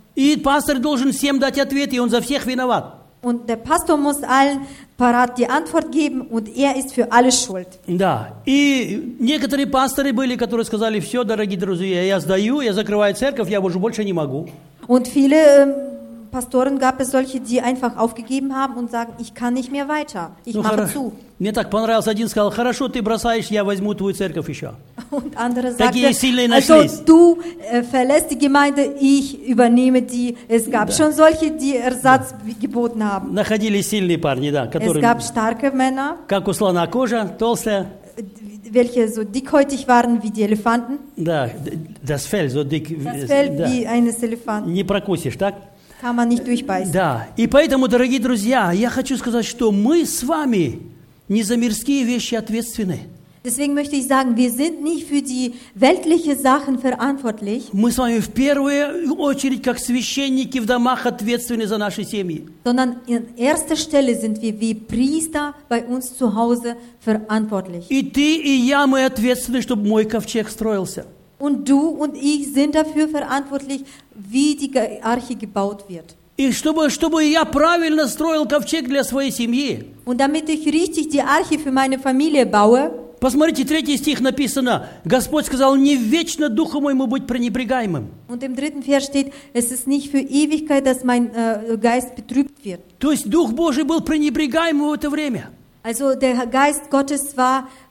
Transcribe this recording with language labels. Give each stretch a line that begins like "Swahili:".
Russian: И пастор должен всем дать ответ, и он за всех виноват.
German: Und der Pastor muss allen parat die Antwort geben und er ist für alle schuld.
Russian: Да. И некоторые пасторы были, которые сказали: "Всё, дорогие друзья, я сдаю, я закрываю церковь, я уже больше не могу".
German: Und viele Pastoren gab es solche, die einfach aufgegeben haben und sagen: "Ich kann nicht mehr weiter. Ich mache zu".
Russian: Мне так понравился один сказал: "Хорошо, ты бросаешь, я возьму твою церковь ещё".
German: Und andere sagten: "Also du verlässt die Gemeinde, ich übernehme die". Es gab schon solche, die Ersatz geboten haben.
Russian: Находились сильные парни, да, которые.
German: Es gab starke Männer.
Russian: Как у слона кожа, толстая.
German: Welche so dickhäutig waren wie die Elefanten. Да, das Fell so dick. Das Fell wie eines Elefanten.
Russian: Не прокусишь, так?
German: Kann man nicht durchbeißen.
Russian: Да, и поэтому, дорогие друзья, я хочу сказать, что мы с вами не за мирские вещи ответственны.
German: Deswegen möchte ich sagen, wir sind nicht für die weltlichen Sachen verantwortlich.
Russian: Мы с вами в первую очередь как священники в домах ответственны за наши семьи.
German: Sondern in erster Stelle sind wir wie Priester bei uns zu Hause verantwortlich.
Russian: И ты и я мы ответственны, чтобы мой ковчег строился.
German: Und du und ich sind dafür verantwortlich, wie die Arche gebaut wird.
Russian: И чтобы я правильно строил ковчег для своей семьи.
German: Und damit ich richtig die Arche für meine Familie baue.
Russian: Посмотрите, третий стих написано: Господь сказал, не вечно духу моему быть пренебрегаемым.
German: Und im dritten Vers steht, es ist nicht für Ewigkeit, dass mein Geist betrübt wird.
Russian: То есть дух Божий был пренебрегаем в это время.
German: Also der Geist Gottes war